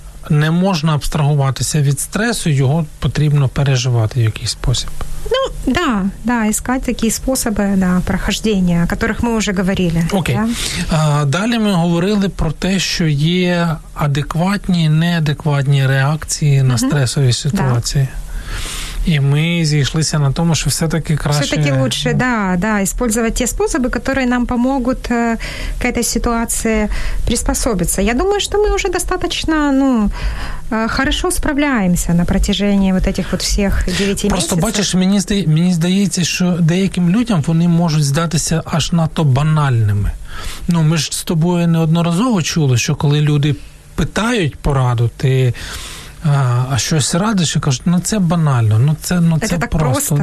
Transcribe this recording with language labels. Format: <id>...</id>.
<uk>Не можна абстрагуватися від стресу, його потрібно переживати в якийсь спосіб.</uk> <ru>Ну, да, да, искать такие способы, да, прохождения, о которых мы уже говорили. Окей. Да?</ru> <uk>Далі ми говорили про те, що є адекватні і неадекватні реакції на стресові ситуації.</uk> <ru>Да.</ru> <uk>І ми зійшлися на тому, що все-таки краще...</uk> <ru>Все-таки лучше, да, да, использовать те способы, которые нам помогут к этой ситуации приспособиться. Я думаю, что мы уже достаточно, ну... хорошо</ru> <uk>справляємося на протяжені от цих от всіх 9 місяців. Просто бачиш, мені здається, що деяким людям вони можуть здатися аж надто банальними. Ну, ми ж з тобою неодноразово чули, що коли люди питають пораду, ти а щось радиш, і кажуть, ну це банально, ну, це просто.</uk>